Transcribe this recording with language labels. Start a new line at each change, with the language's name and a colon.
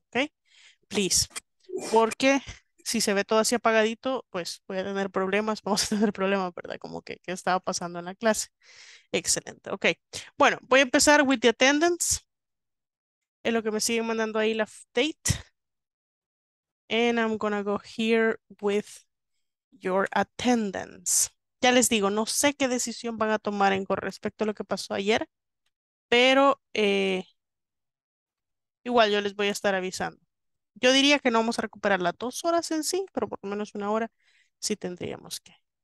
English: Ok, please.
Spanish: Porque si se ve todo así apagadito, pues voy a tener problemas, vamos a tener problemas, ¿verdad? Como que, ¿qué estaba pasando en la clase? Excelente. Ok, bueno, voy a empezar
English: with the attendance.
Spanish: Es lo que me siguen mandando ahí la date.
English: And I'm gonna go here with your attendance.
Spanish: Ya les digo, no sé qué decisión van a tomar en con respecto a lo que pasó ayer, pero igual yo les voy a estar avisando. Yo diría que no vamos a recuperar las 2 horas en sí, pero por lo menos 1 hora sí tendríamos que.